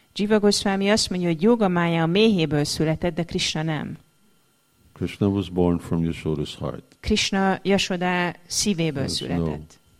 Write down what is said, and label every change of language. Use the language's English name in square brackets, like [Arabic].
[Hungarian] Jiva Goswami azt mondja, hogy Yogamaya a méhéből született, de Krishna nem. [English] Krishna was born from Yashoda's heart. [Hungarian] Krishna Yashoda szívéből született.